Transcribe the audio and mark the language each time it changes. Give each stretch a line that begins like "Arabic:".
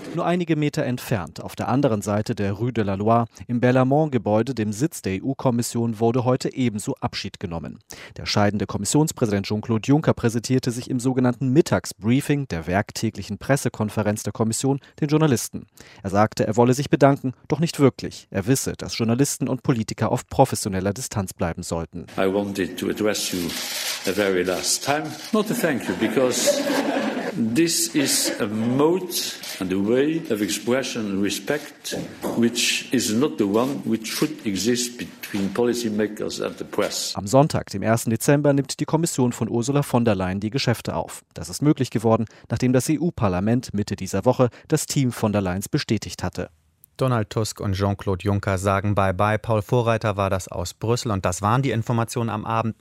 German: Nur einige Meter entfernt, auf der anderen Seite der Rue de la Loire, im Bellarmont-Gebäude, dem Sitz der EU-Kommission, wurde heute ebenso Abschied genommen. Der scheidende Kommissionspräsident Jean-Claude Juncker präsentierte sich im sogenannten Mittagsbriefing der werktäglichen Pressekonferenz der Kommission den Journalisten. Er sagte, er wolle sich bedanken, doch nicht wirklich. Er wisse, dass Journalisten und Politiker auf professioneller Distanz bleiben sollten.
English: I wanted to address you a very last time. Not to thank you, because... This is a mode and a way of expression and respect which is not the one which should exist between policymakers and the press.
German: Am Sonntag, dem 1. Dezember, nimmt die Kommission von Ursula von der Leyen die Geschäfte auf. Das ist möglich geworden, nachdem das EU-Parlament Mitte dieser Woche das Team von der Leyen bestätigt hatte. Donald Tusk und Jean-Claude Juncker sagen Bye-bye. Paul Vorreiter war das aus Brüssel. Und das waren die Informationen am Abend.